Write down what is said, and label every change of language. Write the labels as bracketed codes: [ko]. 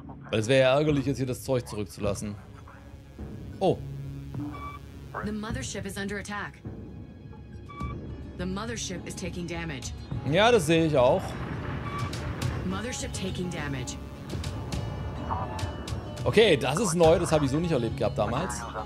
[de] Weil es wäre ja ärgerlich, jetzt hier das Zeug zurückzulassen. Oh. [en] The mothership is under attack. The mothership is taking damage. [de] Ja, das sehe ich auch. [en] Mothership taking damage. [de] Okay, das ist neu, das habe ich so nicht erlebt gehabt damals.